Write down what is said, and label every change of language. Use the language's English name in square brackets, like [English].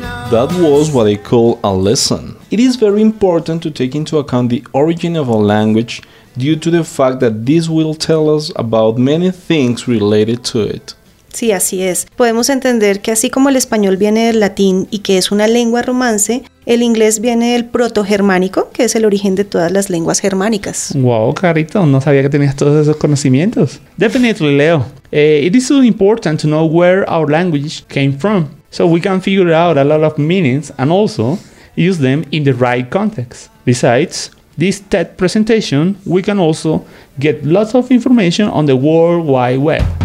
[English] That was what I call a lesson. It is very important to take into account the origin of a language due to the fact that this will tell us about many things related to it. [Spanish] Sí, así es. Podemos entender que así como el español viene del latín y que es una lengua romance, el inglés viene del proto-germánico, que es el origen de todas las lenguas germánicas. Wow, carito, no sabía que tenías todos esos conocimientos. [English] Definitely, Leo. It is so important to know where our language came from, so we can figure out a lot of meanings and also use them in the right context. Besides, this TED presentation, we can also get lots of information on the World Wide Web.